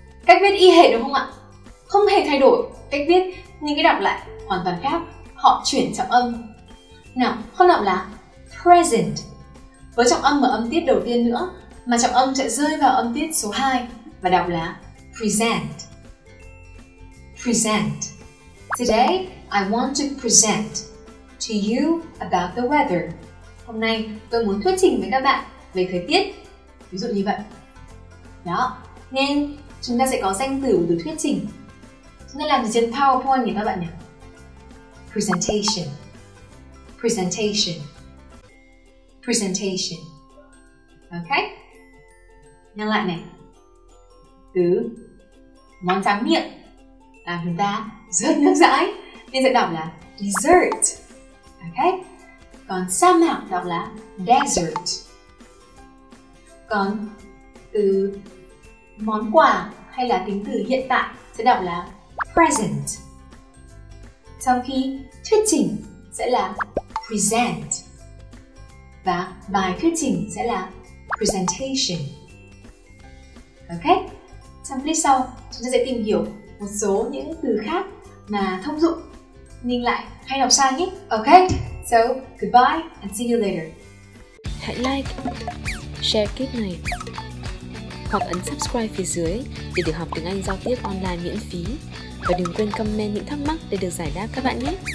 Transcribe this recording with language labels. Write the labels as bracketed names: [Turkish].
[Vietnamese] Cách viết y hệt đúng không ạ? Không hề thay đổi cách viết, nhưng cái đọc lại hoàn toàn khác, họ chuyển trọng âm. Nào, không đọc là present với trọng âm ở âm tiết đầu tiên nữa, mà trọng âm sẽ rơi vào âm tiết số 2 và đọc là present. [English] Present. Today, I want to present to you about the weather. [Vietnamese] Hôm nay, tôi muốn thuyết trình với các bạn về thời tiết. Ví dụ như vậy. Đó. Nên, chúng ta sẽ có danh từ của từ thuyết trình. Chúng ta làm gì trên PowerPoint nhỉ các bạn nhỉ? [English] Presentation. Presentation. Presentation. Ok? [Vietnamese] Nhắc lại này. Từ món tráng miệng làm chúng ta rớt nước dãi nên sẽ đọc là dessert, ok? Còn sa mạc đọc là desert. Còn từ món quà hay là tính từ hiện tại sẽ đọc là present, trong khi thuyết trình sẽ là present và bài thuyết trình sẽ là presentation, ok? Trong clip sau chúng ta sẽ tìm hiểu một số những từ khác mà thông dụng nhưng lại hay đọc sai nhé. [English] Ok, so goodbye and see you later. [Vietnamese] Hãy like, share clip này hoặc ấn subscribe phía dưới để được học tiếng Anh giao tiếp online miễn phí, và đừng quên comment những thắc mắc để được giải đáp các bạn nhé.